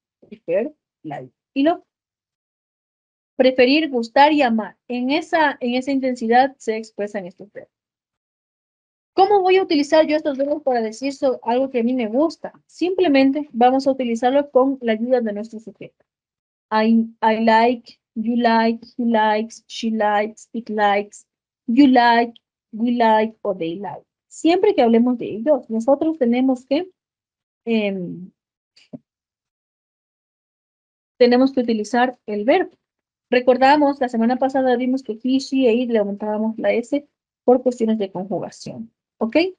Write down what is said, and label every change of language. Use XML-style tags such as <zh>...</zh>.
<en>Prefer. Like.</en> <es>Y lo preferir, gustar y amar. En esa intensidad se expresan estos verbos. ¿Cómo voy a utilizar yo estos verbos para decir algo que a mí me gusta? Simplemente vamos a utilizarlo con la ayuda de nuestro sujeto.</es> <en>I like, you like, he likes, she likes, it likes, you like, we like o they like.</en> <es>Siempre que hablemos de ellos, nosotros tenemos que tenemos que utilizar el verbo. Recordamos, la semana pasada vimos que he, she e it le aumentábamos la S por cuestiones de conjugación. ¿Ok?</es>